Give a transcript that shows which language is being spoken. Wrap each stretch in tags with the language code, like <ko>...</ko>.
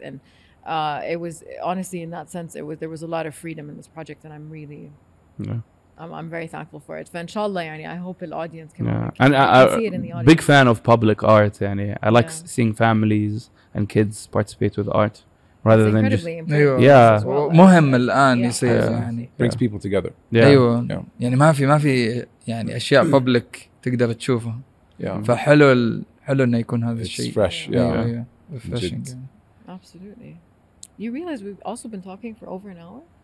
<en>And it was honestly, in that sense, there was a lot of freedom in this project. And I'm really I'm very thankful for it.</en> <ar>فإن شاء الله يعني</ar> <en>I hope the audience can see it in the audience. Big fan of public art. يعني I like seeing families and kids participate with art rather than just</en> <ar>مهم الآن يصير يعني</ar> <en>brings people together.</en> <ar>أيوه يعني ما في يعني أشياء public تقدر تشوفها.</ar> <en>Yeah.</en> <ar>فحلو حلو إنه يكون هذا الشيء.</ar> <en>It's fresh. Refreshing. Absolutely. You realize we've also been talking for over an hour.</en>